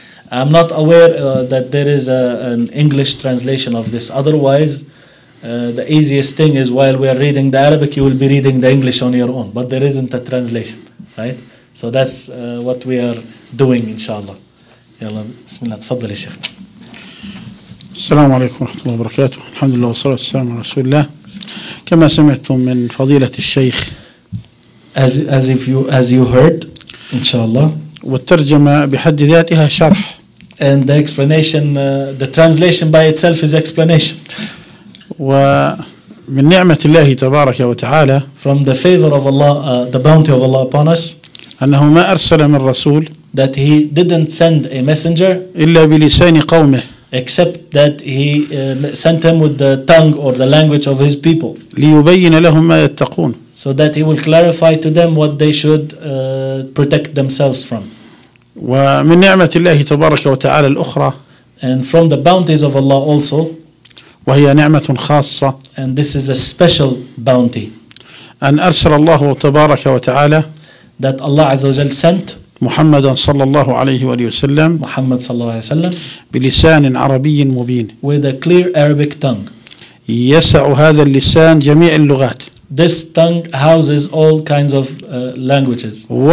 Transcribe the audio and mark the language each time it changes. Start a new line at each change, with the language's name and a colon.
English: I'm not aware that there is an English translation of this. Otherwise, the easiest thing is while we are reading the Arabic, you will be reading the English on your own. But there isn't a translation, right? So that's what we are doing, inshallah.
Arabic: Yalla, bismillah, tafaddal ya Sheikh. السلام عليكم ورحمة الله وبركاته. الحمد لله والصلاة والسلام على رسول الله. كما سمعتم من فضيلة الشيخ.
English: As you heard, inshallah.
Arabic: والترجمة بحد ذاتها شرح.
English: And the explanation, the translation by itself is explanation.
Arabic: ومن نعمة الله تبارك وتعالى.
English: From the favor of Allah, the bounty of Allah upon us.
Arabic: أنه ما أرسل من رسول.
English: That he didn't send a messenger.
Arabic: إلا بلسان قومه.
English: Except that he sent him with the tongue or the language of his people.
Arabic: ليبين لهم ما يتقون.
English: So that he will clarify to them what they should protect themselves from.
Arabic: ومن نعمة الله تبارك وتعالى الأخرى.
English: And from the bounties of Allah also.
Arabic: وهي نعمة خاصة.
English: And this is a special bounty.
Arabic: أن أرسل الله تبارك وتعالى.
English: That Allah
Arabic: عز وجل
English: sent.
Arabic: محمد صلى الله عليه وسلم. محمد صلى الله عليه وسلم. بلسان عربي مبين.
English: With a clear Arabic tongue.
Arabic: يسع هذا اللسان جميع اللغات.
English: This tongue houses all kinds of languages.